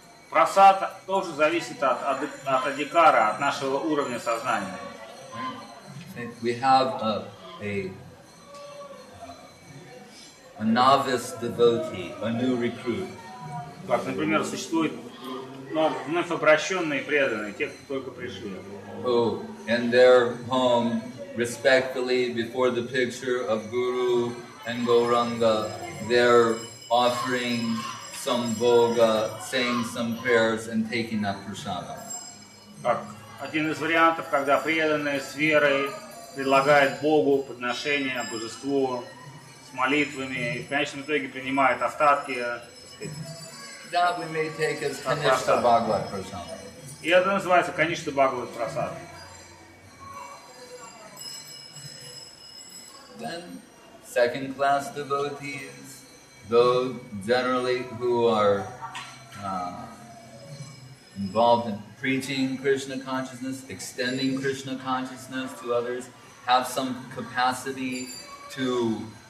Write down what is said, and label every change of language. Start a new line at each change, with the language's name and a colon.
Russian: Prasad тоже зависит от адхикара, от нашего уровня сознания.
English: We have a novice devotee, a new recruit.
Russian: Как, например, существует вновь обращенные преданные, те, кто только пришли.
English: Oh, and their home. Respectfully, before the picture of Guru and Gauranga, they're offering some bhoga, saying some prayers, and taking that prasada.
Russian: Как один из вариантов, когда преданные с верой предлагают Богу подношение Божеству с молитвами, и в конечном итоге принимают остатки.
English: That we may take as Kanishta Bhagavat prasada.
Russian: И это называется Kanishta Bhagavat prasada.
English: Then, second-class devotees, those generally who are involved in preaching Krishna consciousness, extending Krishna consciousness to others, have some capacity to